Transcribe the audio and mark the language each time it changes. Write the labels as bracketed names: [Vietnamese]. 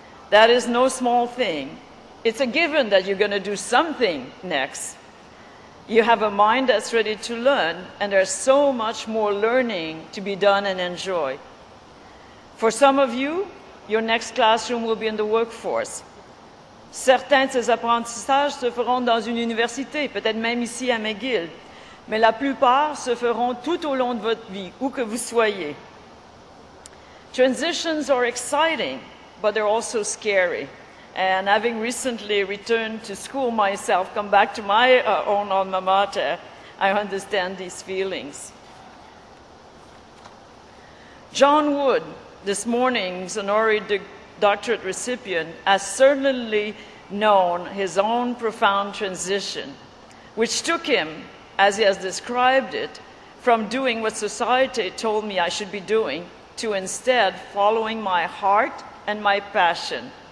[English] That is no small thing. It's a given that you're going to do something next. You have a mind that's ready to learn, and there's so much more learning to be done and enjoy. For some of you, your next classroom will be in the workforce. [French] Certains de ces apprentissages se feront dans une université, peut-être même ici à McGill, mais la plupart se feront tout au long de votre vie, où que vous soyez. [English] Transitions are exciting, but they're also scary. And having recently returned to school myself, come back to my own alma mater, I understand these feelings. John Wood, this morning's honorary doctorate recipient, has certainly known his own profound transition, which took him, as he has described it, from doing what society told me I should be doing to instead following my heart and my passion.